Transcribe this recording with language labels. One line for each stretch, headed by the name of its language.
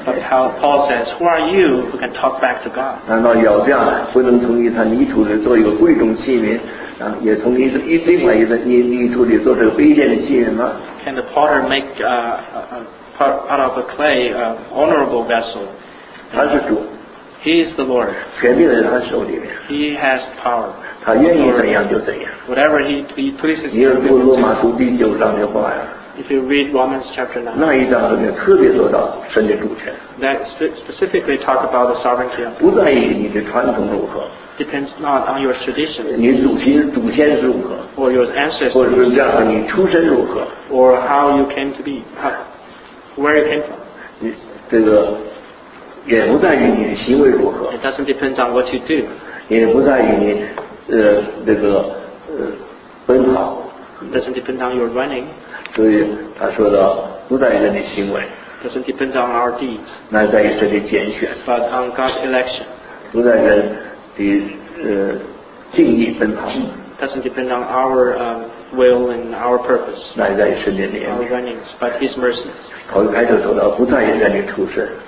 English: But how Paul says, who are you who can talk back to God?
Chinese: 难道咬匠不能从他泥土里做一个贵重器皿，也从另外一个泥土里做这个卑贱的器皿吗？
English: Can the potter make a out of a clay, honorable vessel.
Chinese: 他是主。
English: He is the Lord.
Chinese: 权柄在他手里面。
English: He has power.
Chinese: 他愿意怎样就怎样。
English: Whatever he pleases.
Chinese: 你读罗马书第九章的话呀。
English: If you read Romans chapter 9,
Chinese: 那一章里面特别说到神的主权。
English: That specifically talk about the sovereignty of God.
Chinese: 不在意你的传统如何。
English: Depends not on your tradition.
Chinese: 你祖先是如何。
English: Or your ancestors.
Chinese: 或者是这样的你出身如何。
English: Or how you came to be. Where it came from.
Chinese: 这个也不在于你的行为如何。
English: It doesn't depend on what you do.
Chinese: 也不在于你这个奔跑。
English: It doesn't depend on your running.
Chinese: 所以他说的不在于人的行为。
English: It doesn't depend on our deeds.
Chinese: 那在于神的拣选。
English: But on God's election.
Chinese: 不在人的定义奔跑。
English: It doesn't depend on our will and our purpose.
Chinese: 那在于神的怜悯。
English: Our runnings, but His mercies.
Chinese: 头一开始说到不在于人的出身。